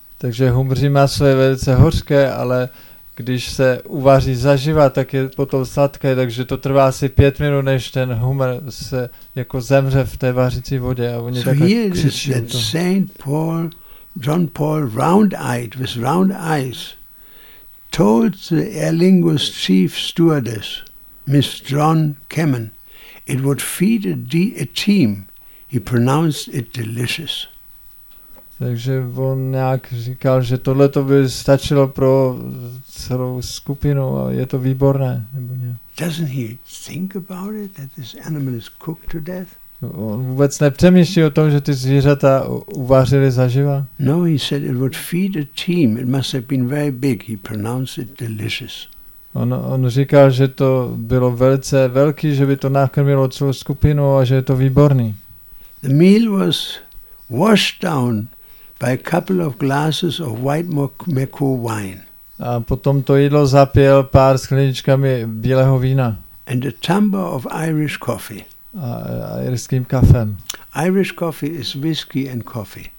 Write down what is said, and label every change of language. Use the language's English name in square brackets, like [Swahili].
[Czech] Takže humří maso je velice hořké, ale když se uvaří zaživa, tak je potom sladké, takže to trvá asi 5 minut, než ten humr se jako zemře v té vařící vodě a oni takhle křičí. [English] That Saint Paul, John Paul, round-eyed, with round eyes, told the Aer Lingus chief stewardess, Miss John Kemen, it would feed a team. He pronounced it delicious. [Czech] Takže on nějak říkal, že tohle to by stačilo pro celou skupinu a je to výborné. Nebo ne. [English] Doesn't he think about it, that this animal is cooked to death? [Czech] On vůbec nepřemýšlí o tom, že ty zvířata uvařili zaživa? [English] No, he said it would feed a team. It must have been very big. He pronounced it delicious. [Czech] On říkal, že to bylo velice velký, že by to nakrmilo celou skupinu a že je to výborný. [English] The meal was washed down by a couple of glasses of white Merlot wine. [Czech] A potom to jídlo zapil pár skleničkami bílého vína. [English] And a tumbler of Irish coffee. [Czech] A irským kafem. [English] Irish coffee is whiskey and coffee.